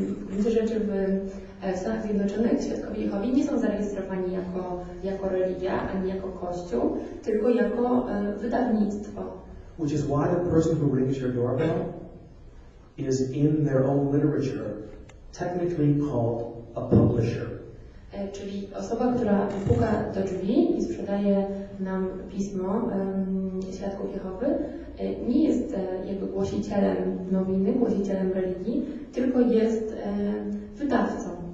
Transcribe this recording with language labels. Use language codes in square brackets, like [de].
[pl] Widzę rzeczy w Stanach Zjednoczonych, Świadkowie Jehowi nie są zarejestrowani jako religia, ani jako kościół, tylko jako wydawnictwo. [en] Which is why the person who rings your doorbell is in their own literature technically called a publisher. [pl] Czyli osoba, która puka do drzwi i sprzedaje nam pismo Świadków Jehowy, nie jest jakby głosicielem nowiny, głosicielem religii, tylko jest wydawcą.